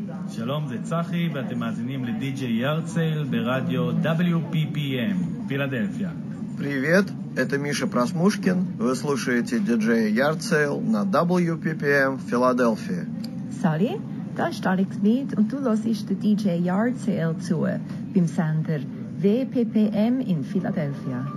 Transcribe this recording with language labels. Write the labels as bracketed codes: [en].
[he] שלום, זה צחי, ואתם מאזינים לדי-ג'יי ירצל ברדיו WPPM, פילדלפיה. [ru] Привет, это Миша Просмушкин. Вы слушаете диджея Ярцел на WPPM в Филадельфии. [de] Sorry, das ist Alex Mead und du hörst den DJ Ярцел zu beim Sender WPPM in Philadelphia.